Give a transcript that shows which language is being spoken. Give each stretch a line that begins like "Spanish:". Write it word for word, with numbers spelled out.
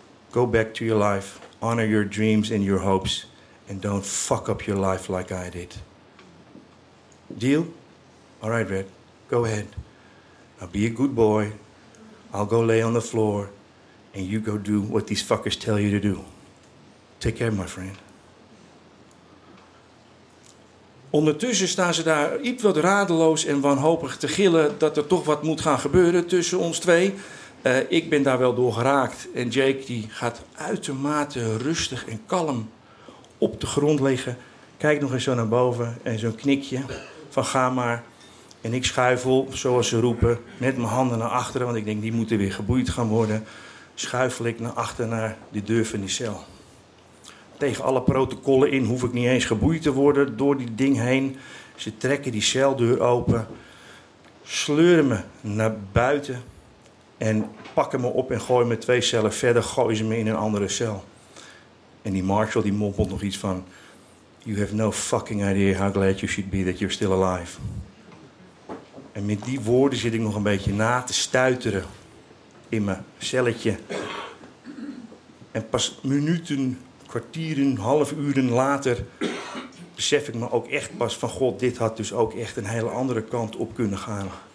English: Go back to your life, honor your dreams and your hopes, and don't fuck up your life like I did. Deal? All right, Red, go ahead. Now be a good boy. I'll go lay on the floor, and you go do what these fuckers tell you to do. Take care, my friend.
Dutch: Ondertussen staan ze daar iets wat radeloos en wanhopig te gillen... dat er toch wat moet gaan gebeuren tussen ons twee. Uh, ik ben daar wel door geraakt. En Jake die gaat uitermate rustig en kalm op de grond liggen. Kijkt nog eens zo naar boven en zo'n knikje van ga maar. En ik schuifel, zoals ze roepen, met mijn handen naar achteren... want ik denk, die moeten weer geboeid gaan worden. Schuifel ik naar achter naar de deur van die cel. Tegen alle protocollen in hoef ik niet eens geboeid te worden door die ding heen. Ze trekken die celdeur open, sleuren me naar buiten en pakken me op en gooien me twee cellen verder. Gooien ze me in een andere cel. En die marshal die mompelt nog iets van...
English: You have no fucking idea how glad you should be that you're still alive.
Dutch: En met die woorden zit ik nog een beetje na te stuiteren in mijn celletje. En pas minuten... kwartieren, half uren later besef ik me ook echt pas van... God, dit had dus ook echt een hele andere kant op kunnen gaan.